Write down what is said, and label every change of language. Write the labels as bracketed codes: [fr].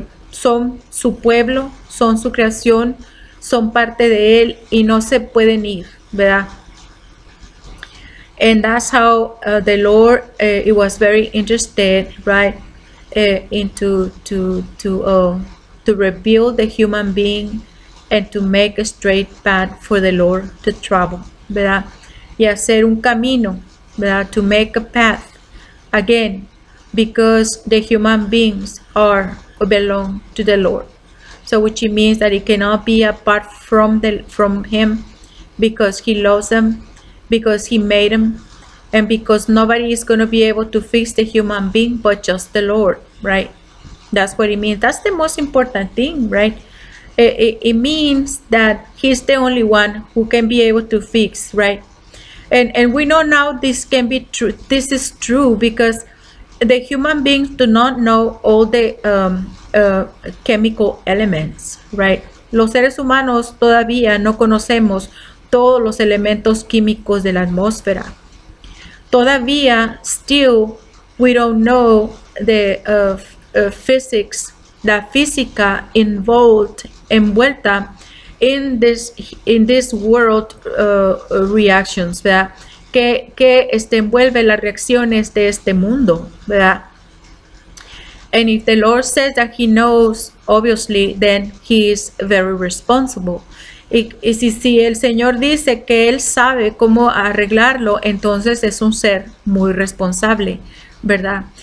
[es] Son su pueblo, son su creación, son parte de él, y no se pueden ir, ¿verdad? [en] And that's how the Lord it was very interested, right, into to reveal the human being and to make a straight path for the Lord to travel, ¿verdad? [es] Y hacer un camino, ¿verdad? [en] To make a path again, because the human beings are or belong to the Lord. So which it means that it cannot be apart from the from him, because he loves them, because he made them, and because nobody is going to be able to fix the human being but just the Lord, right? That's what it means. That's the most important thing, right? It means that he's the only one who can be able to fix, right? And we know now this can be true. This is true because the human beings do not know all the chemical elements, right? [es] Los seres humanos todavía no conocemos todos los elementos químicos de la atmósfera. [en] Todavía, still, we don't know the physics, [es] la física [en] involved, envuelta in this world reactions, ¿verdad? [es] Que envuelve las reacciones de este mundo, ¿verdad? [en] And if the Lord says that he knows, obviously, then he is very responsible. [es] Y si el Señor dice que él sabe cómo arreglarlo, entonces es un ser muy responsable, ¿verdad?